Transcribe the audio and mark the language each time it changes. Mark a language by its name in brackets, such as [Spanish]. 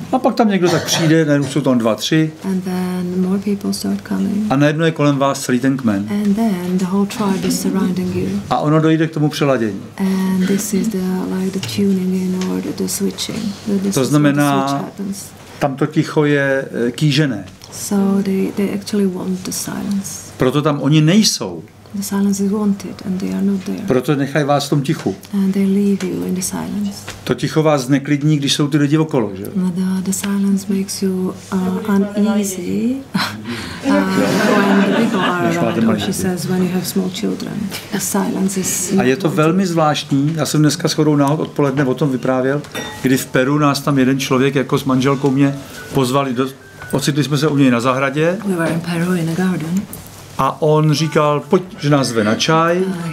[Czech] A pak tam někdo tak přijde, najednou jsou tam dva, tři. [English] And then more people start coming. [Czech] A najednou je kolem vás celý ten kmen. [English] And then the whole tribe is surrounding you. [Czech] A ono dojde k tomu přeladění. [English] And this is the like the tuning in or the switching. [Czech] To znamená, tam to ticho je kýžené. [English] So they actually want the silence. [Czech] Proto tam oni nejsou. [English] The silence is wanted and they are not there. [Czech] Proto nechají vás v tom tichu. [English] And they leave you in the silence. [Czech] To ticho vás zneklidní, když jsou ty lidi okolo, že? [English] The silence makes you uneasy when the people are around, or she says when you have small children. The silence is important. [Czech] A je to velmi zvláštní, já jsem dneska shodou náhod odpoledne o tom vyprávěl, kdy v Peru nás tam jeden člověk jako s manželkou mě pozvali, ocitli jsme se u něj na zahradě. [English] We were in Peru in a garden. [Czech] A on říkal, pojď, že nás zve na čaj.